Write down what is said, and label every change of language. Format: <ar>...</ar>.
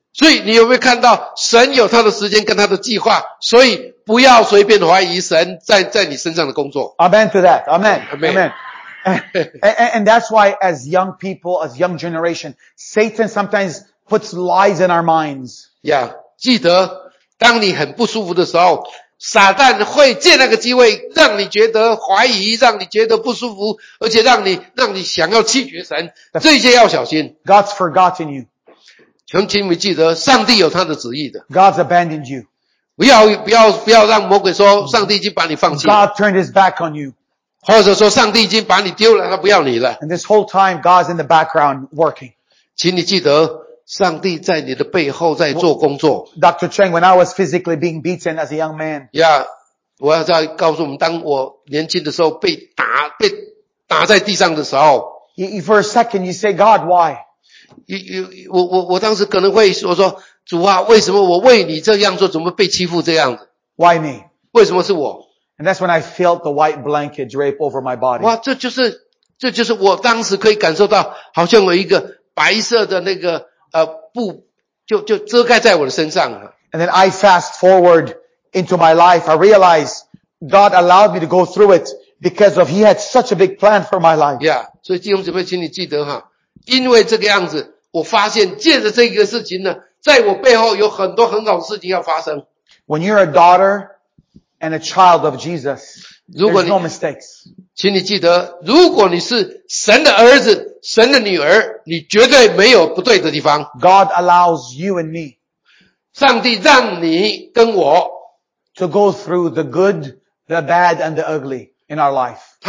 <zh>所以你有没有看到, 神有他的时间跟他的计划, 所以不要随便怀疑神, 在你身上的工作。</zh> <en>Amen to that. Amen. Amen. Amen. And that's why as young people, as young generation, Satan sometimes puts lies in our minds. Yeah.</en> <zh>记得，当你很不舒服的时候，撒旦会借那个机会让你觉得怀疑，让你觉得不舒服，而且让你想要弃绝神，这些要小心。</zh> <en>God's forgotten you.</en> <zh>请记得，上帝有他的旨意的。</zh> <en>God's abandoned you.</en> <zh>不要让魔鬼说上帝已经把你放弃。</zh> <en>God turned his back on you.</en> <zh>或者说上帝已经把你丢了，他不要你了。</zh> <en>And this whole time, God's in the background working.</en> <zh>请你记得。上帝在你的背后在做工作。</zh> <en>Dr. Cheng, when I was physically being beaten as a young man. Yeah,</en> <zh>我要再告诉我们，当我年轻的时候被打在地上的时候。</zh> <en>For a second, you say, God, why?</en> <zh>我当时可能会说，主啊，为什么我为你这样做，怎么被欺负这样子？</zh> <en>Why me?</en> <zh>为什么是我？</zh> <en>And that's when I felt the white blanket drape over my body.</en> <zh>哇，这就是我当时可以感受到，好像有一个白色的那个。</zh> <en>And then I fast forward into my life. I realized God allowed me to go through it because of He had such a big plan for my life. Yeah.</en> <zh>所以弟兄姊妹，请你记得哈， 因为这个样子， 我发现借着这个事情呢， 在我背后有很多很好的事情要发生。</zh> <en>When you're a daughter and a child of Jesus,</en> <zh>如果你,</zh> <en>there's no mistakes.</en> <zh>请你记得， 如果你是神的儿子， 神的女儿， 你绝对没有不对的地方。</zh> <en>God allows you and me.</en> <zh>上帝让你跟我</zh> <en>to go through the good, the bad and the ugly in our life.</en>